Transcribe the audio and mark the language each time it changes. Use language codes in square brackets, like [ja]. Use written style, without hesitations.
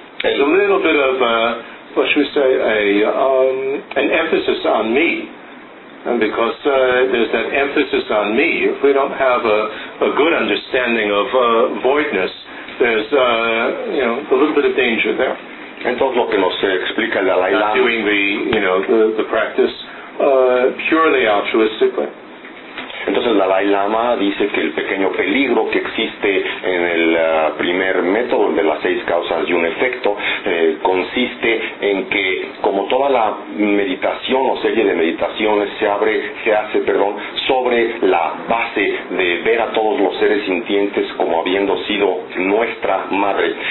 [en] There's a little bit of an emphasis on me, and because there's that emphasis on me, if we don't have a good understanding of voidness, there's a little bit of danger there. [es] Entonces lo que nos explica el Dalai Lama, [en] doing the, you know, the practice purely altruistically. [es] Entonces el Dalai Lama dice que el pequeño peligro que existe en el primer método de las seis causas y un efecto consiste en que, como toda la meditación o serie de meditaciones se hace sobre la base de ver a todos los seres sintientes como habiendo sido nuestra madre,